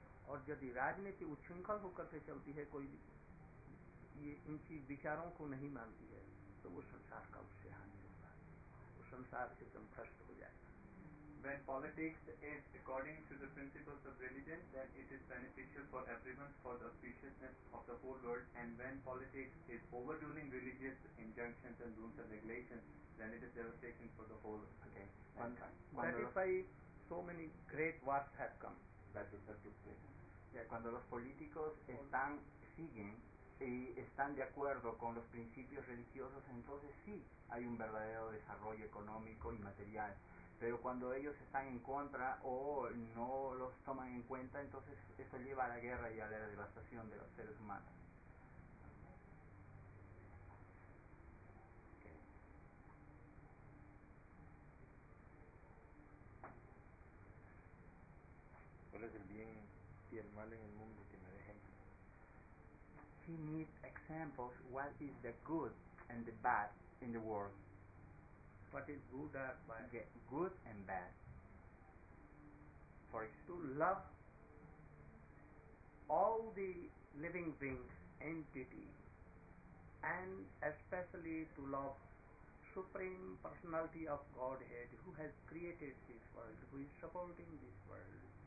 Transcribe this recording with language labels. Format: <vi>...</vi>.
<hi>और यदि राजनीति उच्छृंखल होकर के चलती है, कोई ये इनकी विचारों को नहीं मानती है, तो वो संसार का उससे हानि होगा, वो संसार से भ्रष्ट हो जाएगा.</hi> <en>when politics is according to the principles of religion, then it is beneficial for everyone, for the auspiciousness of the whole world. And when politics is overruling religious injunctions and rules and regulations, then it is devastating for the whole mankind. That is why so many great wars have come.</en> <es>Yeah, cuando los políticos están siguen y están de acuerdo con los principios religiosos, entonces sí hay un verdadero desarrollo económico y material. Pero cuando ellos están en contra o no los toman en cuenta, entonces eso lleva a la guerra y a la devastación de los seres humanos. ¿Cuál es el bien y el mal en el mundo que me dejen?</es> <en>He needs examples. What is the good and the bad in the world? What is good or bad? Okay. Good and bad. For example, to love all the living things, entity, and especially to love Supreme Personality of Godhead, who has created this world, who is supporting this world.</en>